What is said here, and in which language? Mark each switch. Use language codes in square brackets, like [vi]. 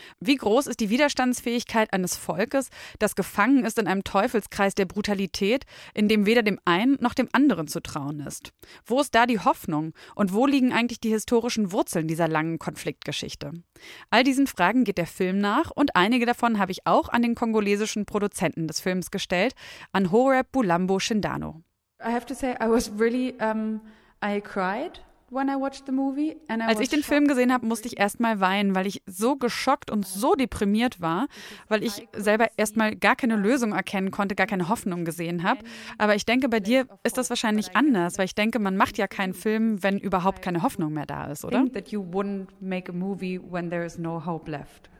[de] Wie groß ist die Widerstandsfähigkeit eines Volkes, das gefangen ist in einem Teufelskreis der Brutalität, in dem weder dem einen noch dem anderen zu trauen ist? Wo ist da die Hoffnung und wo liegen eigentlich die historischen Wurzeln dieser langen Konfliktgeschichte? All diesen Fragen geht der Film nach und einige davon habe ich auch an den kongolesischen Produzenten des Films gestellt, an Horeb Bulambo Shindano. [en] I have to say, I was really, I cried. When I watched the movie and I [de] Als ich den Film gesehen habe, musste ich erst mal weinen, weil ich so geschockt und so deprimiert war, weil ich selber erst mal gar keine Lösung erkennen konnte, gar keine Hoffnung gesehen habe. Aber ich denke, bei dir ist das wahrscheinlich anders, weil ich denke, man macht ja keinen Film, wenn überhaupt keine Hoffnung mehr da ist, oder? [en] That you wouldn't make a movie when there is no hope left.